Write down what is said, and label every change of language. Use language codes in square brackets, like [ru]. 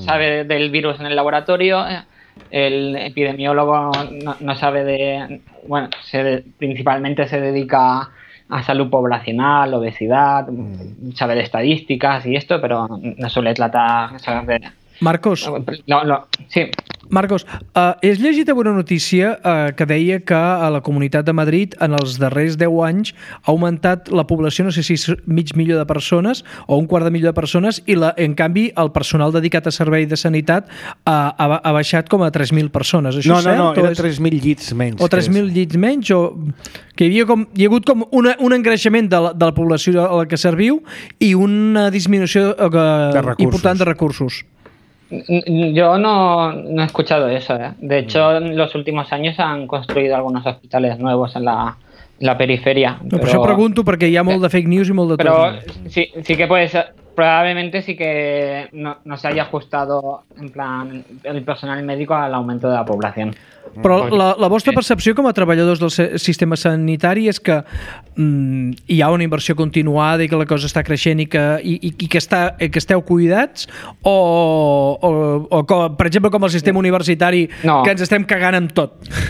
[es] Sabe del virus en el laboratorio, el epidemiólogo no sabe de... Bueno, principalmente se dedica... a salud poblacional, obesidad, saber estadísticas y esto, pero no suele tratar... Marcos. Sí. [ca] Marcos, has llegit una notícia que deia que a la Comunitat de Madrid en els darrers 10 anys ha augmentat la població, no sé si és mig milió de persones o un quart de milió de persones, i en canvi el personal dedicat a servei de sanitat ha baixat com a 3.000 persones. Això no, era 3.000 llits menys. O 3.000 llits menys, o que hi ha hagut com un engreixement de la població a la que serviu i una disminució important de recursos. [es] Yo no he escuchado eso, ¿eh? De hecho, en los últimos años han construido algunos hospitales nuevos en la periferia. No, pero... Por eso pregunto, porque hay [ca] molt de [es] fake news y molt de... Pero sí que puede ser, probablemente sí que no se haya ajustado en plan el personal médico al aumento de la población. [ca] Però la vostra percepció com a treballadors del sistema sanitari és que hi ha una inversió continuada i que la cosa està creixent i que esteu cuidats o com, per exemple, com el sistema universitari, no. Que ens estem cagant amb tot.